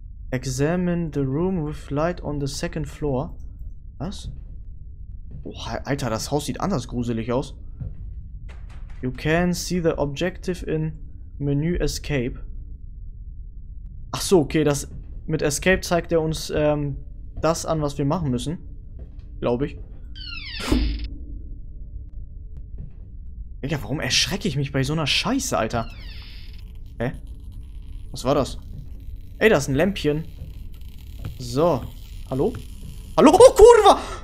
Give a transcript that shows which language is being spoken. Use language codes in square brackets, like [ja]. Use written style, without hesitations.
[en] Examine the room with light on the second floor. [de] Was? Oh, Alter, das Haus sieht anders gruselig aus. [en] You can see the objective in menu escape. [de] Ach so, okay, das mit escape zeigt er uns das an, was wir machen müssen. Glaube ich. Alter, warum erschrecke ich mich bei so einer Scheiße, Alter? Hä? Was war das? Ey, da ist ein Lämpchen. So. Hallo? Hallo? Oh, Kurva!